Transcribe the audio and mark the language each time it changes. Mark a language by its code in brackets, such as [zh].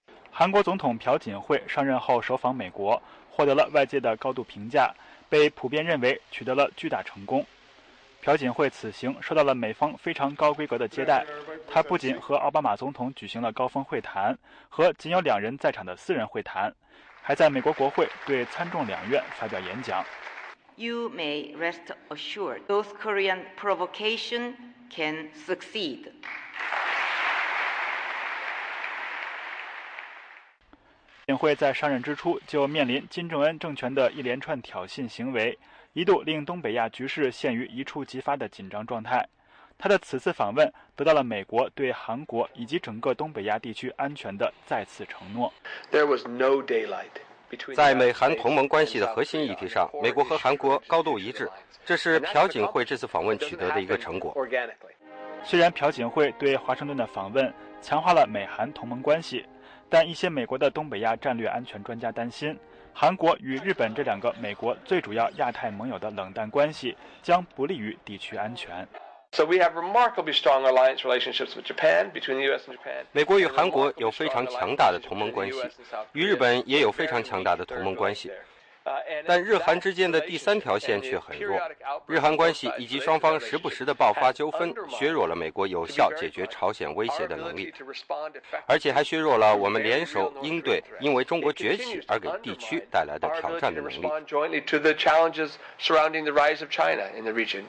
[zh] 韩国总统朴槿惠上任后首访美国，获得了外界的高度评价，被普遍认为取得了巨大成功。朴槿惠此行受到了美方非常高规格的接待，他不仅和奥巴马总统举行了高峰会谈和仅有两人在场的私人会谈，还在美国国会对参众两院发表演讲。 [en] You may rest assured, North Korean provocation can succeed. [zh] 金会在上任之初就面临金正恩政权的一连串挑衅行为，一度令东北亚局势陷于一触即发的紧张状态。他的此次访问得到了美国对韩国以及整个东北亚地区安全的再次承诺。 [en] There was no daylight. [zh] 在美韩同盟关系的核心议题上，美国和韩国高度一致，这是朴槿惠这次访问取得的一个成果。虽然朴槿惠对华盛顿的访问强化了美韩同盟关系，但一些美国的东北亚战略安全专家担心，韩国与日本这两个美国最主要亚太盟友的冷淡关系将不利于地区安全。 [en] So we have remarkably strong alliance relationships with Japan, between the U.S. and Japan. [zh] 美国与韩国有非常强大的同盟关系，与日本也有非常强大的同盟关系。但日韩之间的第三条线却很弱，日韩关系以及双方时不时的爆发纠纷，削弱了美国有效解决朝鲜威胁的能力，而且还削弱了我们联手应对因为中国崛起而给地区带来的挑战的能力。